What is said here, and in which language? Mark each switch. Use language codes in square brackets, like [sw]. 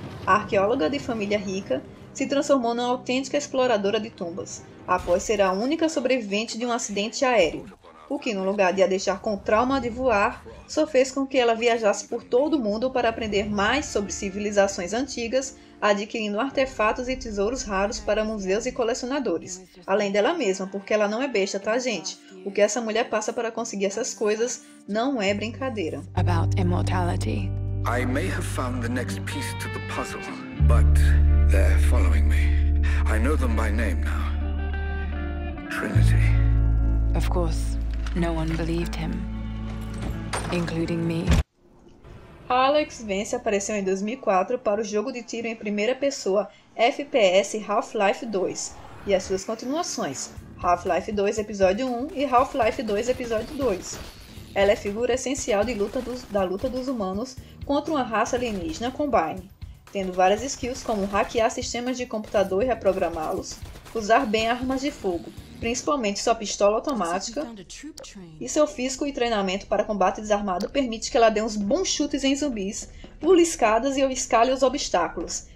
[pt] A arqueóloga de família rica se transformou numa autêntica exploradora de tumbas, após ser a única sobrevivente de um acidente aéreo, o que, no lugar de a deixar com trauma de voar, só fez com que ela viajasse por todo o mundo para aprender mais sobre civilizações antigas, adquirindo artefatos e tesouros raros para museus e colecionadores. Além dela mesma, porque ela não é besta, tá, gente? O que essa mulher passa para conseguir essas coisas não é brincadeira. [en] About immortality. I may have found the next piece to the puzzle, but they're following me. I know them by name now. Trinity. Of course, no one believed him, including me. [pt] Alex Vance apareceu em 2004 para o jogo de tiro em primeira pessoa FPS Half-Life 2 e as suas continuações, Half-Life 2 Episódio 1 e Half-Life 2 Episódio 2. Ela é figura essencial de luta da luta dos humanos contra uma raça alienígena Combine, tendo várias skills como hackear sistemas de computador e reprogramá-los, usar bem armas de fogo, principalmente sua pistola automática, e seu físico e treinamento para combate desarmado permite que ela dê uns bons chutes em zumbis, pule escadas e escale os obstáculos.